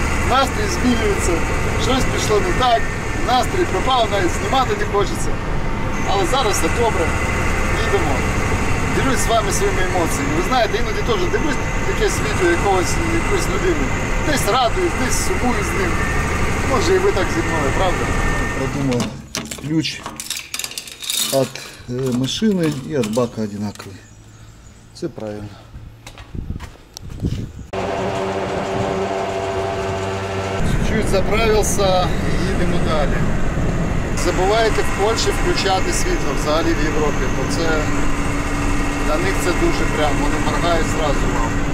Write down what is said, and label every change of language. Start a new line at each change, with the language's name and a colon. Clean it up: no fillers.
Ukrainian: Настрій змінюється, щось пішло не так, настрій пропав, навіть знімати не хочеться. Але зараз все добре, їдемо. Ділюсь з вами своїми емоціями. Ви знаєте, іноді теж дивлюсь якесь відео якоїсь людини. Десь радуюсь, десь сумую з ним. Може і ви так зі мною, правда? Продумав.
Russian: Ключ от машины и от бака одинаковый. Все правильно. Чуть-чуть заправился и едем далее. Забывайте в Польше включать
Ukrainian: світло, взагалі
Russian: в Европе.
Ukrainian: Бо це, для них це дуже прямо, вони моргають
Russian: сразу
Ukrainian: вам.